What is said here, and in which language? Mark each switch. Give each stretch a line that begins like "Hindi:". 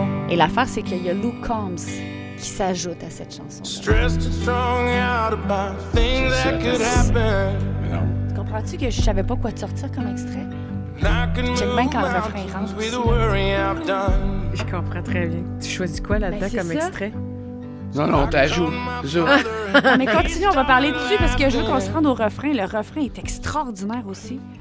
French: Et l'affaire, c'est qu'il y a Luke Combs qui s'ajoute à cette chanson.
English: Stressed and strung out about things that could happen.
French: Tu comprends-tu que je savais pas quoi te sortir comme extrait? Check bien quand le refrain rentre. Je comprends très bien. Tu choisis quoi là-dedans comme extrait? Non, t'ajoutes. Mais continue, on va parler dessus parce que je veux qu'on se rende au refrain. Le refrain est extraordinaire aussi.